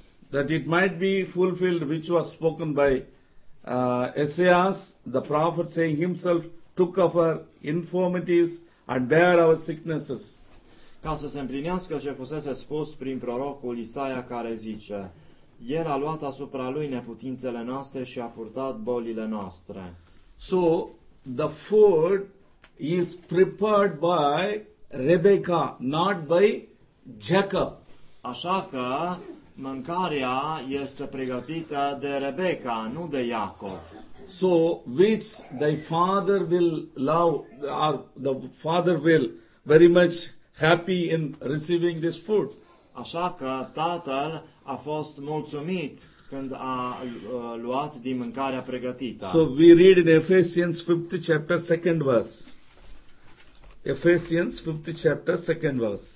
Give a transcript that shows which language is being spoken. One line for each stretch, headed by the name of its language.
English: That it might be fulfilled which was spoken by Isaiah the prophet, saying, himself took our infirmities and bare our sicknesses.
Romanian: Ca să se împlinească ce fusese spus prin prorocul Isaia, care zice, El a luat asupra lui neputințele noastre și a purtat bolile noastre.
English: So, the food is prepared by Rebecca, not by Jacob.
Romanian: Așa că mâncarea este pregătită de Rebecca, nu de Iacob.
English: So which thy father will love, or the father will very much happy in receiving this food.
Romanian: Așa că tatăl a fost mulțumit când a luat din mâncarea pregătită.
English: So we read in Ephesians 5th chapter 2nd verse. Ephesians 5th chapter 2nd verse.